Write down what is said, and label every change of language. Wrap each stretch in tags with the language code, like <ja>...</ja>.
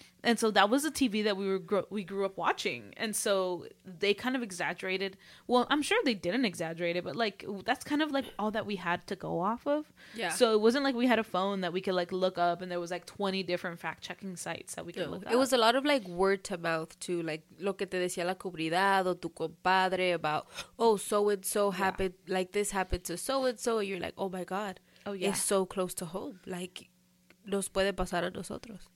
<en>and so that was the TV that we grew up watching. And so they kind of exaggerated. Well, I'm sure they didn't exaggerate it, but like, that's kind of like all that we had to go off of. Yeah. So it wasn't like we had a phone that we could like look up and there was like 20 different fact checking sites that we could look up. It was a lot of like word to mouth too.</en> <es>Like lo que te decía la cubridad o tu compadre</es> <en>about, oh, so-and-so yeah. happened, like this happened to so-and-so. You're like, oh my God. Oh yeah. It's so close to home.</en> <es>Like nos puede pasar a nosotros.</es>